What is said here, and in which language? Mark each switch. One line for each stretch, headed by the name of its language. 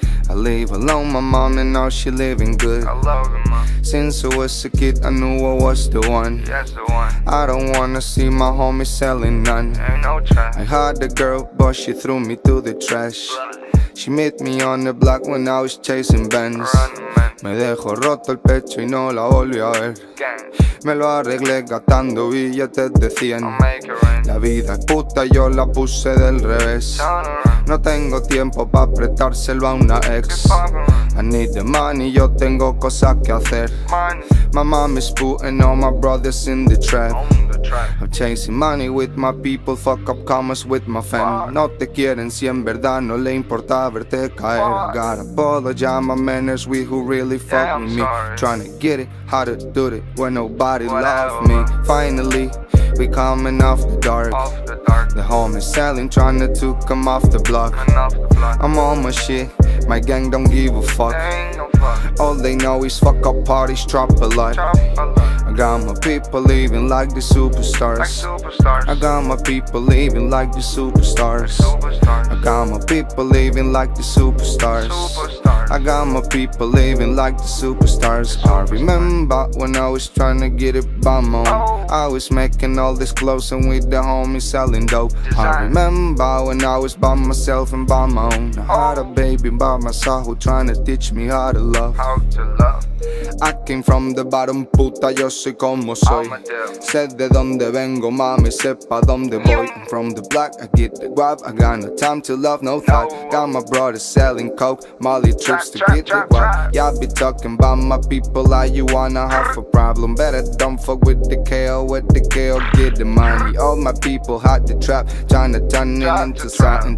English: I live alone, my mom, and now she living good. I love her, mom. Since I was a kid, I knew I was the one. Yes, the one. I don't wanna see my homie selling none. Ain't no try. I had a girl, but she threw me to the trash. She met me on the block when I was chasing Benz.
Spanish: Me dejó roto el pecho y no la volví a ver. Me lo arreglé gastando billetes de 100. La vida es puta, yo la puse del revés. No tengo tiempo pa' prestárselo a una ex. I need the money, yo tengo cosas que hacer.
English: My mom is putting all my brothers in the trap. I'm chasing money with my people, fuck up commas with my fam.
Spanish: No te quieren si en verdad no le importa verte caer.
English: I gotta apologize, my manners, we who really fuck with me. Trying to get it, how to do it, when nobody loves me. Finally, we coming off the dark. The homie selling, trying to come off the block. I'm on my shit, my gang don't give a fuck. All they know is fuck up parties, drop a lot. I got my people living like the superstars. I got my people living like the superstars. I got my people living like the superstars. I got my people living like the superstars. I remember when I was trying to get it by my own. I was making all this clothes and with the homies selling dope. I remember when I was by myself and by my own. I had a baby by my side who trying to teach me how to love. I came from the bottom, puta, yo soy como soy.
Spanish: Sé de donde vengo, mami, sepa donde voy.
English: I'm from the block, I get the guap. I got no time to love, no thought. Got my brother selling coke, Molly trips to get the guap. Y'all be talking about my people like you wanna have a problem. Better don't fuck with the KO, with the KO, get the money. All my people hot the trap, tryna turn it into something.